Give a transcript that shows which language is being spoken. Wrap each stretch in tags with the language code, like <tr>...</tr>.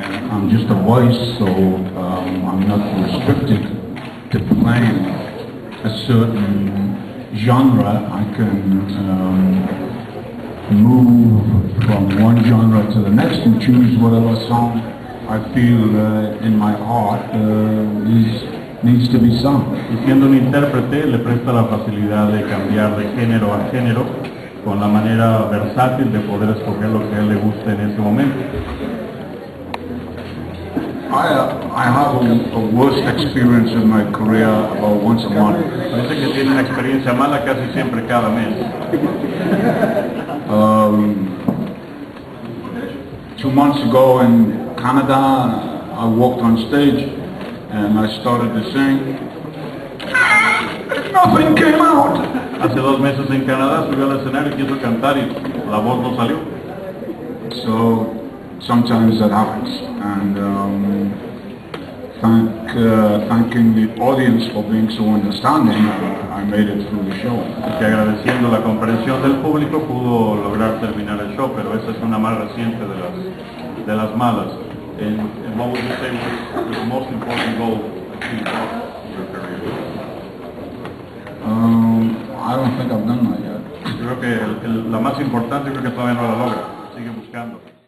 <en>I'm just a voice, so I'm not restricted to playing a certain genre. I can move from one genre to the next and choose whatever song I feel in my heart is needs to be sung.</en> <es>Y siendo un intérprete, le presta la facilidad de cambiar de género a género con la manera versátil de poder escoger lo que a él le guste en ese momento.</es> <en>I have a worst experience in my career about once a month.</en> <es>Parece que tiene una experiencia mala casi siempre cada mes.</es> <en>2 months ago in Canada, I walked on stage and I started to sing. Nothing came out.</en> <es>Hace 2 meses en Canadá subió al escenario y quiso cantar y la voz no salió.</es> <en>So sometimes that happens, and thanking the audience for being so understanding, I made it through the show.</en> <es>Y agradeciendo la comprensión del público, pudo lograr terminar el show, pero esa es una más reciente de las malas.</es> <en>And what would you say was the most important goal in your career? I don't think I've done that yet.</en> <es>Creo que la más importante, creo que todavía no la logra. Sigue buscando.</es>